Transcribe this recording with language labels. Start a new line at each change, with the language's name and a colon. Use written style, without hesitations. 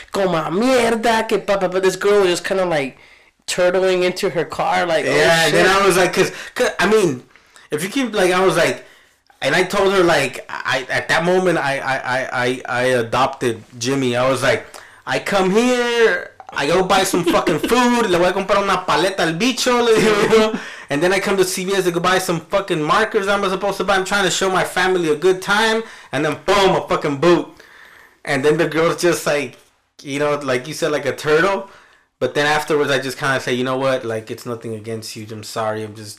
Spanish: Como mierda. Que papa.
English: But this girl was just kind of like turtling into her car. Like, yeah, oh, shit. And then I was like, cause I mean, if you keep, like, I was like, and I told her, like, I adopted Jimmy. I was like, I come here. I go buy some fucking food.
Spanish: Le voy a comprar una paleta al bicho.
English: And then I come to CVS to go buy some fucking markers I'm supposed to buy. I'm trying to show my family a good time. And then, boom, a fucking boot. And then the girl's just like, you know, like you said, like a turtle. But then afterwards, I just kind of say, you know what? Like, it's nothing against you. I'm sorry. I'm just...